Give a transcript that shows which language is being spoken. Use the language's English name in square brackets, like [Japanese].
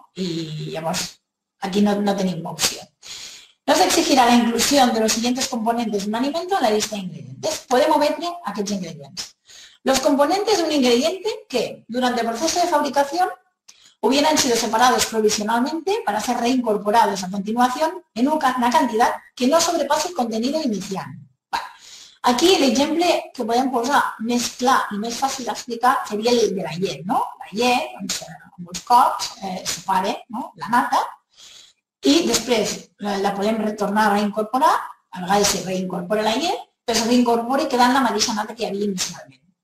[Catalan] I llavors aquí no tenim opció. No s'exigirà la inclusió de [Spanish] los siguientes componentes [Catalan] d'un alimento en la lista d'ingredients. Podem obrir aquests ingredients. [Spanish] Los componentes [Catalan] d'un ingredient que, durant el procés de fabricació, [Spanish] hubieran sido separados provisionalmente para ser reincorporados a continuación en una cantidad que no sobrepasa el contenido inicial. [Catalan] Aquí l'exemple que podem posar més clar i més fàcil d'explicar seria el de la llet, no? La llet, doncs, molts cops, separa, no?, la nata i després la podem retornar a reincorporar a vegades se reincorpora la llet, però se reincorpora quedant la mateixa nata que hi havia inicialment.